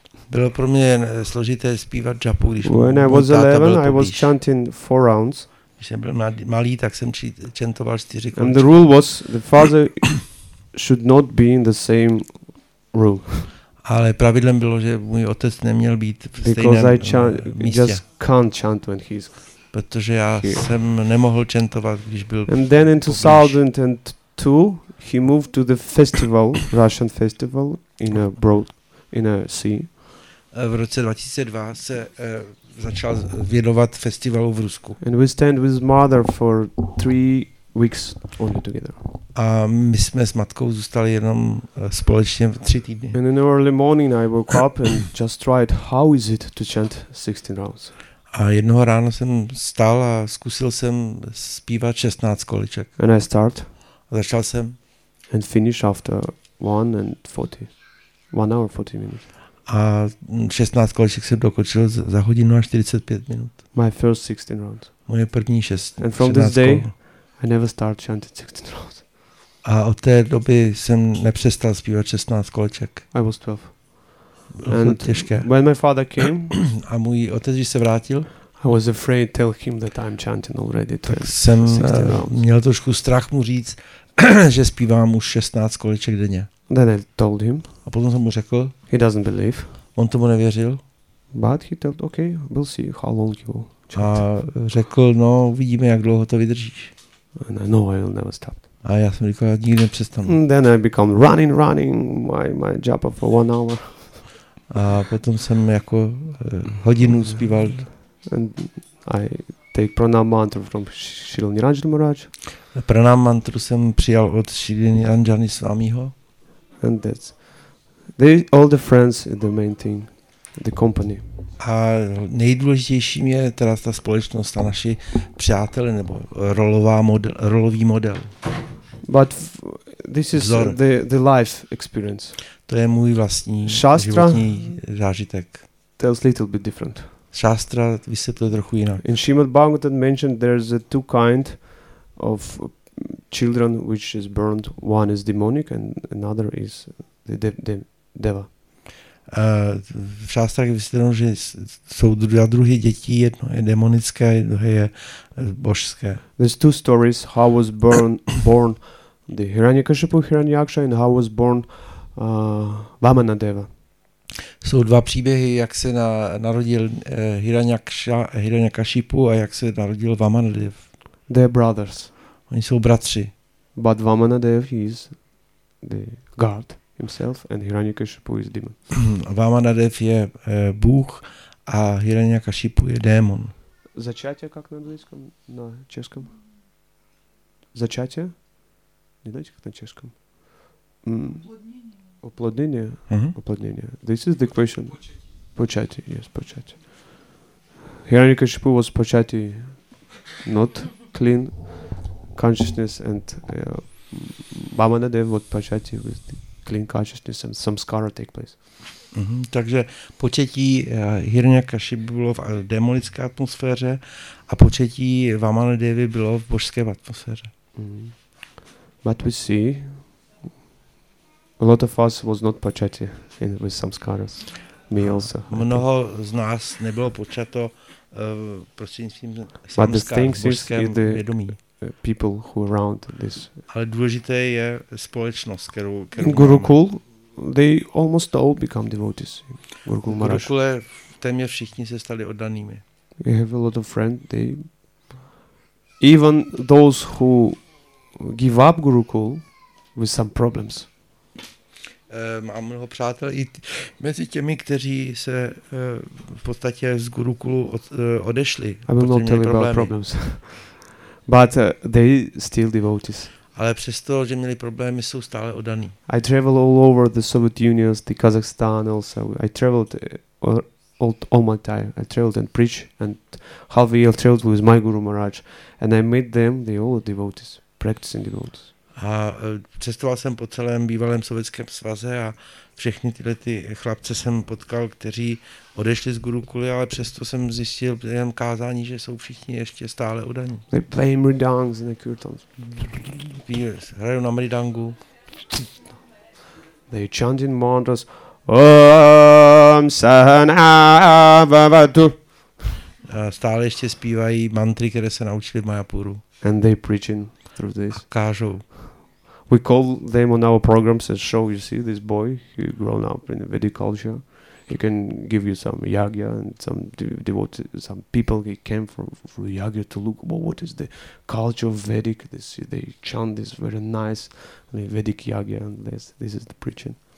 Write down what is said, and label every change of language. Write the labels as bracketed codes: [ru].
[cs] Bylo pro mě složité zpívat japu, když [en] when I was 11 I was chanting 4 rounds. [cs] Když jsem byl malý, tak jsem chantoval 4 [en] rounds. And the rule was the father should not be in the same room. [cs] Ale pravidlem bylo, že můj otec neměl být v stejném místě. [en] Because I just can't chant when he's. [cs] Protože já jsem nemohl chantovat, když byl. [en] And then in 2002 he moved to the festival, Russian festival in a broad in a sea. [cs] V roce 2002 se začal věnovat festivalu v Rusku. [en] And we stand with mother for 3 weeks only together. [cs] A my jsme s matkou zůstali jenom společně 3 týdny. [en] And in the early morning I woke up and just tried how is it to chant 16 rounds. [cs] A jednoho ráno jsem stál a zkusil jsem zpívat 16 količek. [en] And I start. [cs] A začal jsem. [en] And finish after 1 hour 40 minutes. [cs] A 16 količek jsem dokončil za hodinu a 45 minut. [en] My first 16 rounds. [cs] Moje první 16 [en] And from this day I never start chanting 16 rounds. [cs] A od té doby jsem nepřestal zpívat 16 koleček. [en] I was 12. And [cs] těžké. [en] When my father came, [cs] a můj otec, když se vrátil, [en] I was afraid to tell him that I'm chanting already. [cs] Tak jsem měl trošku strach mu říct, že zpívám už 16 količek denně. [en] Then I told him. [cs] A potom jsem mu řekl. [en] He doesn't believe. [cs] On tomu nevěřil. [en] But he told, okay, we'll see how long you chant. [cs] A řekl, no, uvidíme, jak dlouho to vydržíš. [en] And I know I will never stop. [cs] A já jsem říkal, já nikdy nepřestanu. [en] Then I become running, my job for one hour. [cs] A potom jsem jako hodinu zpíval. [en] And I take pranam mantra from Shrila Niranjana Maharaj. [cs] Pranam mantru jsem přijal od Shrila Niranjana Swamiho. [en] And that's all the friends is the main thing, the company. [cs] A nejdůležitějším je teda ta společnost a naši přátelé nebo rolový model. [en] But this is [cs] vzor. [en] the life experience. [cs] To je můj vlastní Shastra životní zážitek. [en] Tells little bit different. [cs] Shastra vysvětluje trochu jinak. [en] In Srimad Bhagavatam mentioned there's a two kind of children which is burned. One is demonic and another is the deva. [cs] V šástrách vysvětleno, že jsou dva druhy dětí, jedno je demonické, druhé je božské. [en] There's two stories, how was born the Hiranyakashipu Hiranyaksha and how was born Vamana Deva. [cs] Jsou dva příběhy, jak se narodil Hiranyakashipu a jak se narodil Vamana Dev. [en] They're brothers. [cs] Oni jsou bratři. [en] But Vamana Dev is the god himself and Hiranyakashipu is demon. [cs] Vamana Dev je bůh a Hiranyakashipu je démon. Začátě jak na anglickém, na českém? Začátě? Nedáte jak na českém? Oplodnění. Oplodnění. [en] This is the question. [cs] Počátí. [en] Yes, [cs] počátí. [en] Hiranyakashipu was počátí, not clean consciousness, and Vamana Dev was počátí with the clean consciousness and samskara take place. Mm-hmm. [cs] Takže početí Hiranyakashipu bylo v demonické atmosféře a početí Vamana Devi bylo v božské atmosféře. Mm-hmm. [en] But we see a lot of us was not počatí in with samskaras. Me also. [cs] Mnoho z nás nebylo počato prostřednictvím samskar, božské vědomí. [en] People who around this. [cs] Ale důležité je společnost, kterou [en] Gurukul, they almost all become devotees. Gurukul Maharaj. [cs] Gurukule, téměř všichni se stali oddanými. [en] We have a lot of friends. They even those who give up Gurukul with some problems. Mám mnoho přátel i mezi těmi, kteří se v podstatě z Gurukulu odešli. I will not tell you about problems. But they still devotees. Ale přesto, že měli problémy, jsou stále oddaní. I travel all over the Soviet Union, the Kazakhstan also. I traveled all my time. I traveled and preach and half a year traveled with my Guru Maharaj. And I met them, they all devotees, practicing devotees. [cs] A cestoval jsem po celém bývalém Sovětském svaze a všechny tyhle ty chlapce jsem potkal, kteří odešli z Gurukuly, ale přesto jsem zjistil během kázání, že jsou všichni ještě stále udaní. [en] They play mridangs and kirtans. [cs] Hrají na mridangu. [en] They chant in mantras. Om Sahana Vavatu. [cs] Stále ještě zpívají mantry, které se naučili v Mayapuru. [en] And they preaching through this. [cs] A kážou. [en] We call them on our programs and show, you see, this boy, he grown up in the Vedic culture. He can give you some yagya and some devotees, some people, he came from yagya to look, well, what is the culture of Vedic? They chant this very nice Vedic yagya and this is the preaching.